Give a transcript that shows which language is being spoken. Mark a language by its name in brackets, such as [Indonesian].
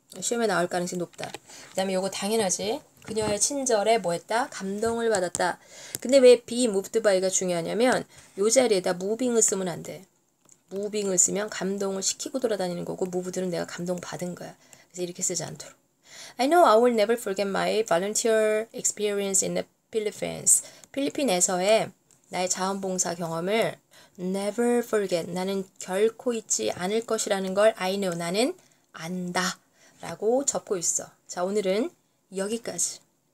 [Korean] 시험에 나올 가능성이 높다. 그 다음에 요거 당연하지. 그녀의 친절에 뭐 했다? 감동을 받았다. 근데 왜 be moved by가 중요하냐면 요 자리에다 moving을 쓰면 안 돼. moving을 쓰면 감동을 시키고 돌아다니는 거고 moved는 내가 감동받은 거야. 그래서 이렇게 쓰지 않도록. [English] I know I will never forget my volunteer experience in the Philippines. [Korean] 필리핀에서의 나의 자원봉사 경험을 [English] Never forget. [Korean] 나는 결코 잊지 않을 것이라는 걸 [English] I know. [Korean] 나는 안다. 라고 접고 있어. 자, 오늘은 여기까지.